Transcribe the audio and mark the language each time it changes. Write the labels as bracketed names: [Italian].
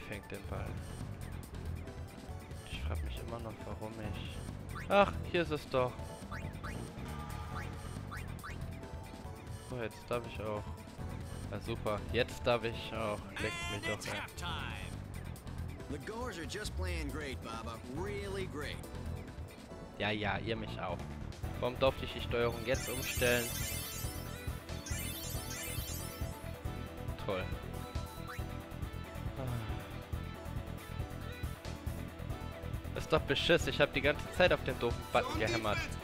[German] Den Ball. Ich frage mich immer noch, warum ich... Ach, hier ist es doch. So, jetzt darf ich auch... Na super, jetzt darf ich auch... Leck mich doch ein. [English] The Gores are just playing great, Baba. Really great. [German] Ja, ja, ihr mich auch. Warum durfte ich die Steuerung jetzt umstellen? Toll. Ist doch beschiss, ich hab die ganze Zeit auf den doofen Button gehämmert.